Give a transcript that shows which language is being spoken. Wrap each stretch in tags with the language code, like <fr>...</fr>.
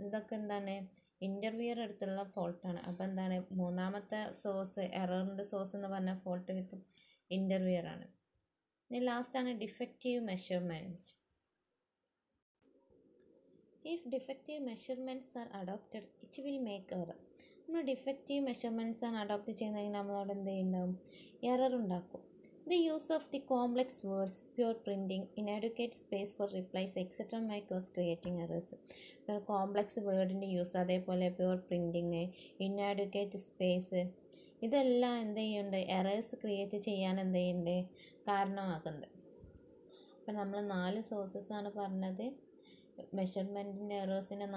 <ml>ഇതൊക്കെ എന്താണ് ഇൻ്റർവ്യൂർ അടുത്തുള്ള ഫോൾട്ടാണ്. അപ്പോൾ എന്താണ് മൂന്നാമത്തെ സോഴ്സ്, എററിൻ്റെ സോഴ്സ് എന്ന് പറഞ്ഞാൽ</ml> <en>fault with interviewer</en> <ml>ആണ്. ഇനി ലാസ്റ്റാണ് defective measurements.</ml> <en>If defective measurements are adopted it will make error.</en> <ml>നമ്മൾ ഡിഫക്റ്റീവ് മെഷർമെൻറ്റ്സ് ആണ് അഡോപ്റ്റ് ചെയ്യുന്നതെങ്കിൽ നമ്മളവിടെ എന്ത് ചെയ്യുന്നുണ്ടാവും, എറർ ഉണ്ടാക്കും.</ml> <en>The use of the complex words, pure printing, inadequate space for replies, etc. may cause creating errors.</en> <ml>ഇപ്പോൾ complex വേർഡിൻ്റെ use, അതേപോലെ pure printing, ഇൻആഡ്യുക്കേറ്റ് space, ഇതെല്ലാം എന്ത് ചെയ്യുന്നുണ്ട്, എറേഴ്സ് ക്രിയേറ്റ് ചെയ്യാൻ എന്ത് ചെയ്യുന്നുണ്ട്, കാരണമാകുന്നത്. അപ്പം നമ്മൾ നാല് സോഴ്സസ്സാണ് പറഞ്ഞത് മെഷർമെൻറ്റിൻ്റെ എറേഴ്സിൻ്റെ.</ml>